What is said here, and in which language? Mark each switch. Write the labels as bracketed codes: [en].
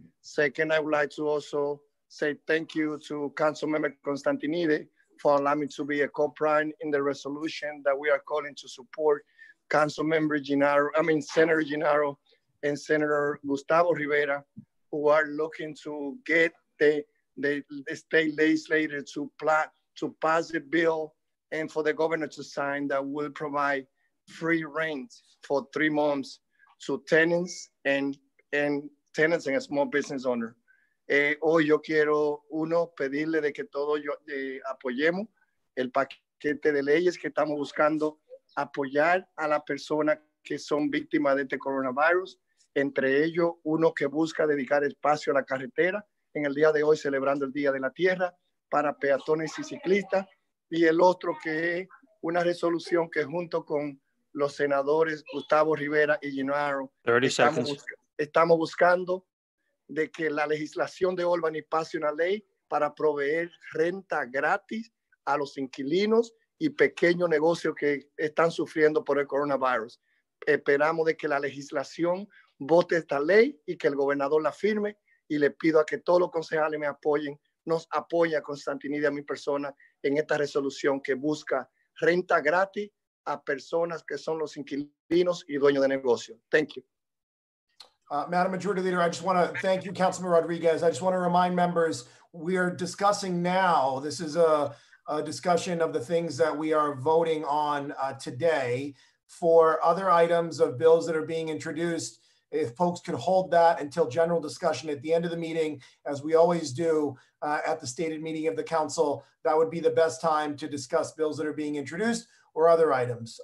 [en] Second, I would like to also say thank you to Councilmember Constantinide for allowing me to be a co-prime in the resolution that we are calling to support Councilmember Gennaro, I mean Senator Gennaro and Senator Gustavo Rivera, who are looking to get the state legislature to pass the bill and for the governor to sign that will provide free rent for 3 months to tenants and tenants and a small business owner. [es] Hoy yo quiero uno pedirle de que todos apoyemos el paquete de leyes que estamos buscando apoyar a las personas que son víctimas de este coronavirus, entre ellos uno que busca dedicar espacio a la carretera en el día de hoy celebrando el Día de la Tierra para peatones y ciclistas, y el otro que es una resolución que junto con los senadores Gustavo Rivera y Gennaro estamos buscando de que la legislación de Albany pase una ley para proveer renta gratis a los inquilinos y pequeños negocios que están sufriendo por el coronavirus. Esperamos de que la legislación vote esta ley y que el gobernador la firme, y le pido a que todos los concejales me apoyen, nos apoye a Constantinide, a mi persona, en esta resolución que busca renta gratis a personas que son los inquilinos y dueños de negocio. [en] Thank you. Madam Majority Leader, I just want to thank you, Councilman Rodriguez. I just want to remind members, we are discussing now, this is a discussion of the things that we are voting on today. For other items of bills that are being introduced, if folks could hold that until general discussion at the end of the meeting, as we always do at the stated meeting of the council, that would be the best time to discuss bills that are being introduced or other items.